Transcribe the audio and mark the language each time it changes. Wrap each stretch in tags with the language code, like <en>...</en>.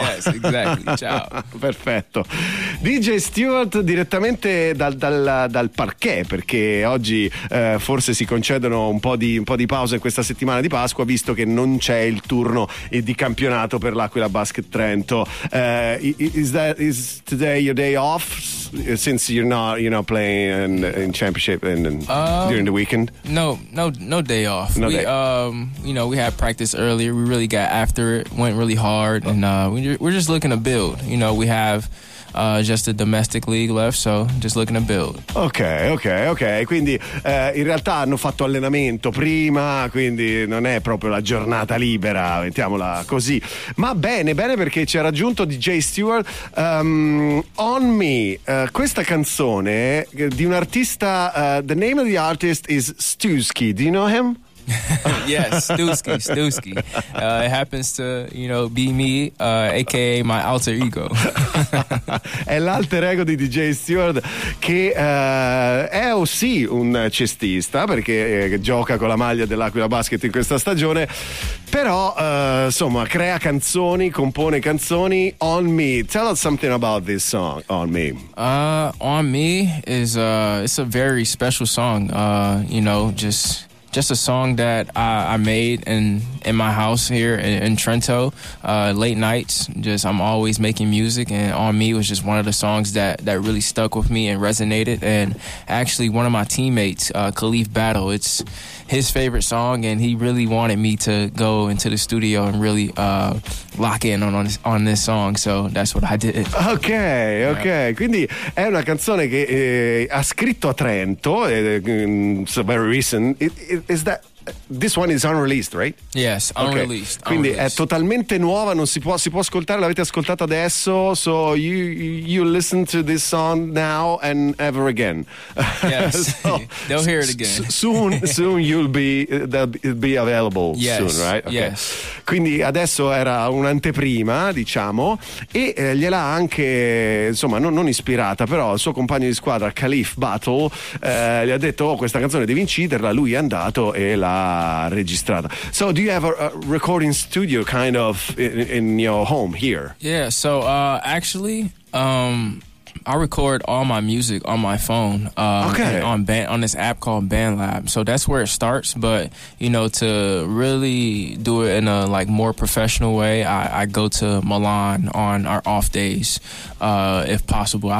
<en>Yes, exactly, ciao.</en> <it>Perfetto. DJ Stuart direttamente dal parquet, perché oggi forse si concedono un po' di pause questa settimana di Pasqua, visto che non c'è il turno di campionato per l'Aquila Basket Trento.</it> <en>Is today your day off, since you're not playing in championship during the weekend? No day off. No, we day. You know, we had practice earlier, we really got after it, went really hard. Oh. And we're just looking to build, you know. We have just a domestic league left, so just looking to build. Ok.</en> <it>Quindi in realtà hanno fatto allenamento prima, quindi non è proprio la giornata libera, mettiamola così. Ma bene, perché ci ha raggiunto DJ Stuart.</it> <en>On Me,</en> <it>questa canzone di un artista,</it> <en>the name of the artist is Stuski. Do you know him? Yes, Stuski. It happens to, you know, be me, aka my alter ego.</en> <it>È l'alter ego di DJ Stuart, che è o sì un cestista, perché gioca con la maglia dell'Aquila Basket in questa stagione, però insomma crea canzoni, compone canzoni.</it> <en>On Me, tell us something about this song, On Me. On Me is it's a very special song, you know, just a song that I made in my house here in Trento, late nights. Just, I'm always making music, and On Me was just one of the songs that really stuck with me and resonated. And actually, one of my teammates, Khalif Battle, it's his favorite song, and he really wanted me to go into the studio and really lock in on this song, so that's what I did. Ok, yeah.</en> <it>Quindi è una canzone che ha scritto a Trento,</it> <en>so very recent. Is that this one is unreleased, right? Yes, unreleased.</en> <it>Okay. Quindi unreleased. È totalmente nuova, non si può, si può ascoltare, l'avete ascoltata adesso,</it> <en>so you listen to this song now and ever again. Yes. So, they'll hear it again. soon you'll be, they'll be available. Yes. Soon, right? Okay. Yes.</en> <it>Quindi adesso era un'anteprima, diciamo, e gliel'ha anche, insomma, non ispirata, però il suo compagno di squadra Khalif Battle gli ha detto, oh, questa canzone devi inciderla, lui è andato e l'ha registrata.</it> <en>So do you have a recording studio kind of in your home here? Yeah, so actually I record all my music on my phone, on this app called BandLab. So that's where it starts. But, you know, to really do it in a like more professional way, I go to Milan on our off days, if possible.</en>